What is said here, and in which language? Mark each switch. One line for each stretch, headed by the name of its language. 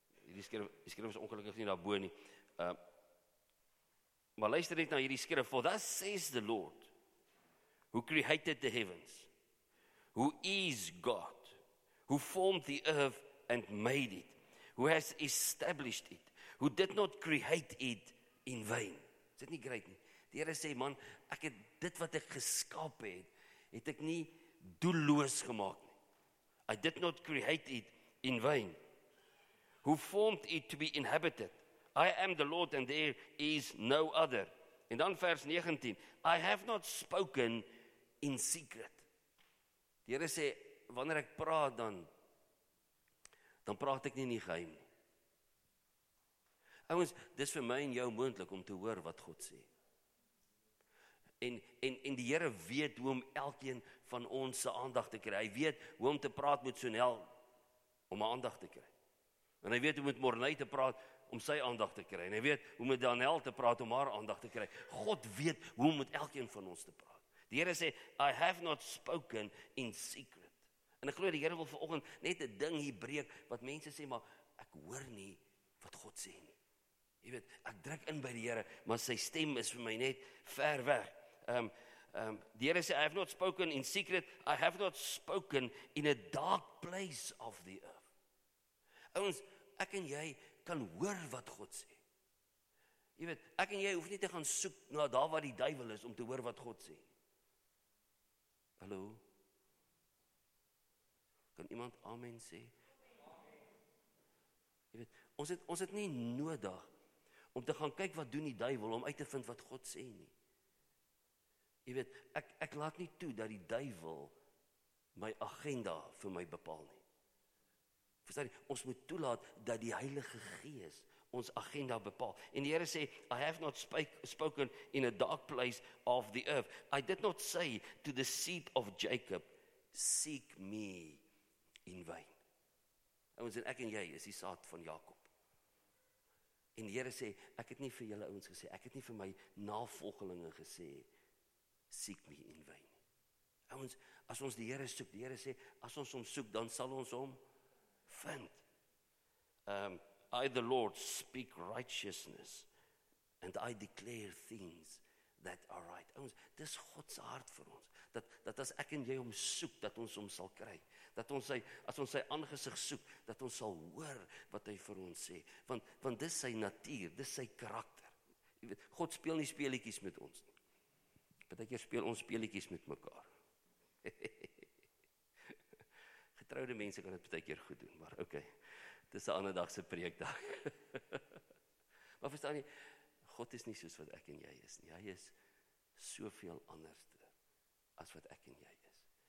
Afrikaans: Hierdie skrif is ongelukkig nie daarbo nie. Maar luister net na hierdie skrif.
English: For thus says the Lord, who created the heavens, who is God, who formed the earth and made it, who has established it, who did not create it in vain.
Afrikaans: Is dit nie great nie? Die Here sê, man, ek het dit wat ek geskaap het, het ek nie doelloos gemaak nie.
English: I did not create it in vain. Who formed it to be inhabited? I am the Lord and there is no other.
Afrikaans: En dan vers 19.
English: I have not spoken in secret.
Afrikaans: Die Here sê, wanneer ek praat dan praat ek nie in die geheim nie. Ouens, dis vir my en jou moontlik om te hoor wat God sê. En die Here weet hoe om elkeen van ons se aandag te kry. Hy weet hoe om te praat met Sonel om 'n aandag te kry. En hy weet hoe om met Morney te praat om sy aandag te kry. En hy weet hoe met Daniel te praat om haar aandag te kry. God weet hoe om met elkeen van ons te praat. Die Here sê,
English: I have not spoken in secret.
Afrikaans: En ek glo die Here wil vanoggend net 'n ding hier breek wat mense sê, maar ek hoor nie wat God sê nie. Jy weet, ek druk in by die Here, maar sy stem is vir my net ver weg. Die Here sê,
English: I have not spoken in secret. I have not spoken in a dark place of the earth.
Afrikaans: Ouens, ek en jy kan hoor wat God sê. Jy weet, ek en jy hoef nie te gaan soek na daar waar die duivel is om te hoor wat God sê. Hallo? Kan iemand amen sê? Jy weet, ons het nie nodig om te gaan kyk wat doen die duivel om uit te vind wat God sê nie. Jy weet, ek laat nie toe dat die duivel my agenda vir my bepaal nie. Verstaan jy, ons moet toelaat dat die Heilige Gees ons agenda bepaal. En die Here sê,
English: I have not spoken in a dark place of the earth. I did not say to the seed of Jacob, seek me in vain.
Afrikaans: Ouens, en ek en jy is die saad van Jakob. En die Here sê, ek het nie vir julle ouens gesê, ek het nie vir my navolgelinge gesê,
English: seek me in vain.
Afrikaans: Ouens, as ons die Here soek, die Here sê, as ons hom soek, dan sal ons hom vind.
English: I the Lord speak righteousness, and I declare things that are right.
Afrikaans: Ouens, dis God se hart vir ons, dat as ek en jy hom soek, dat ons hom sal kry. As ons sy aangesig soek, dat ons sal hoor wat hy vir ons sê. Want dis sy natuur, dis sy karakter. Jy weet, God speel nie speelietjies met ons nie. Partykeer speel ons speelietjies met mekaar. Getroude mense kan dit partykeer goed doen, maar okay. Dis 'n ander dag se preekdag. Maar verstaan jy, God is nie soos wat ek en jy is nie. Hy is soveel anders as wat ek en jy is.